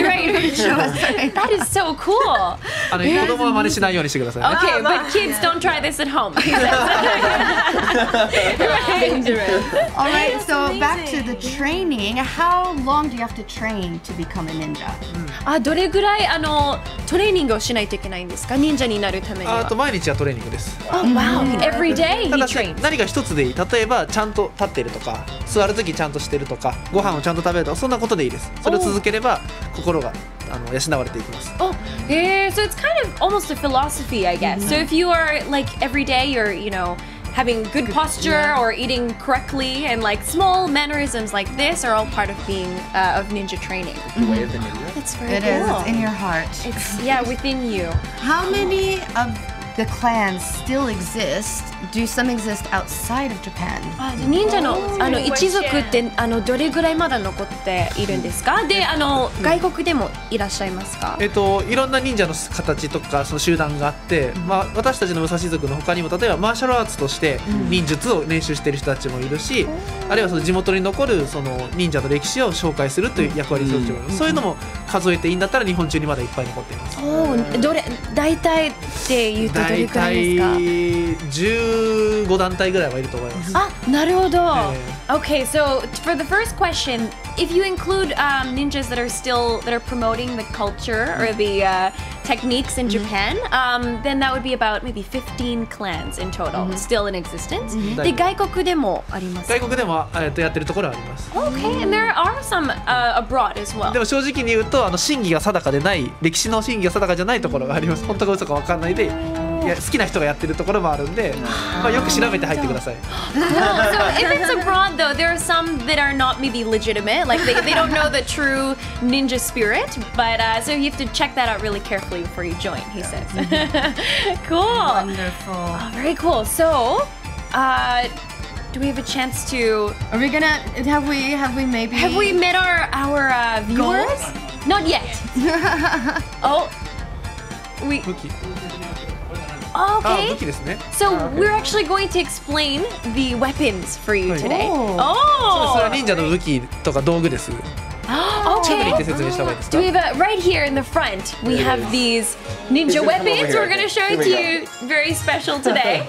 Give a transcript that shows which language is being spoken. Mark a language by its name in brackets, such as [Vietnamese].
[English] Right, show us. That is so cool. Okay, but kids, don't try this at home. All right, so back to the training. How long do you have to train to become a ninja? [Japanese] どれぐらいトレーニングをしないといけないんですか、忍者になるためには。毎日はトレーニングです。 [English] Wow, every day he trains. [Japanese] 何か一つでいい。例えばちゃんと立ってるとか、座るときちゃんとしてるとか、ご飯をちゃんと食べるとか、そんなことでいいです。それを続ければ心が養われていきます。 [English] So it's kind of almost a philosophy, I guess. So if you are like every day you're, you know, having good posture or eating correctly, and like small mannerisms like this are all part of being of ninja training. Way of the ninja. It's very cool. It is. It's in your heart. It's yeah, within you. How many of the clans still exist? Do some exist outside of Japan? [Japanese] Ninja の、あの、一族って、あの、どれぐらいまだ残っているんですか? で、あの、外国でもいらっしゃいますか? いろんな忍者の形とか、その集団があって、まあ、私たちの武蔵族の他にも、例えばマーシャルアーツとして忍術を練習している人たちもいるし、あるいはその地元に残るその忍者の歴史を紹介するという役割をする人もいる。そういうのも数えていいんだったら、日本中にまだいっぱい残っています。おー、どれ、大体って言うとどれくらいですか? 体15団体ぐらいはいると思います。あ、なるほど。 [English] Okay, so for the first question, if you include ninjas that are still, that are promoting the culture or the techniques in Japan, then that would be about maybe 15 clans in total, still in existence. [Japanese] で、外国でもありますか?外国でもやってるところはあります。 [English] Okay, and there are some abroad as well. [Japanese] でも正直に言うと、真偽が定かでない、歴史の真偽が定かじゃないところがあります。本当か嘘か分かんないで。好きな人がやってるところもあるんで、まあよく調べて入ってください。 [English] So if it's abroad though, there are some that are not maybe legitimate, like they don't know the true ninja spirit. But so you have to check that out really carefully before you join, he says. Cool. Wonderful. Very cool. So, do we have a chance to? Are we gonna? Have we maybe? Have we met our viewers? Not yet. Oh, we. Okay, so we're actually going to explain the weapons for you today. [Japanese] それは忍者の武器とか道具です。 [English] Okay. [Japanese] 近くに行って説明した方がいいですか? [English] We have right here in the front, we have these ninja weapons. We're going to show it to you very special today.